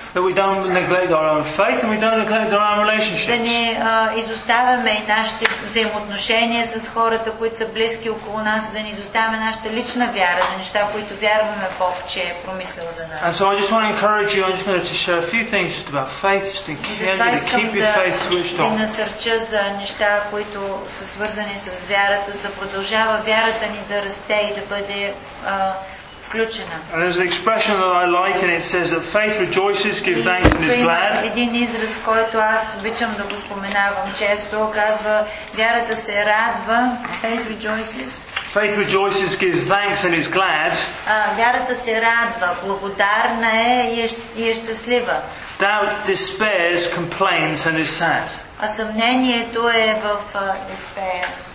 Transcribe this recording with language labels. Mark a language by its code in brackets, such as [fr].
[en] That we don't neglect our own faith and we don't neglect our own relationships. [bg] Да не изоставяме и нашите взаимоотношения с хората, които са близки около нас, да не изоставяме нашата лична вяра за неща, които вярваме Бог, че е промислил за нас. [en] And so I just want to encourage you, I'm just going to share a few things just about faith, just to keep your faith switched on. [bg] Да насърча за неща, които са свързани с вярата, за да продължава вярата ни да расте и да бъде включена. [en] And there's an expression that I like, and it says that faith rejoices, gives thanks, and is glad. [bg] Един израз, който аз обичам да го споменавам често, казва: вярата се радва. [en] Faith rejoices. Faith rejoices, gives thanks, and is glad. [bg] Вярата се радва, благодарна е и е щастлива. [en] Doubt despairs, complains, and is sad. [bg] А съмнението е в despair.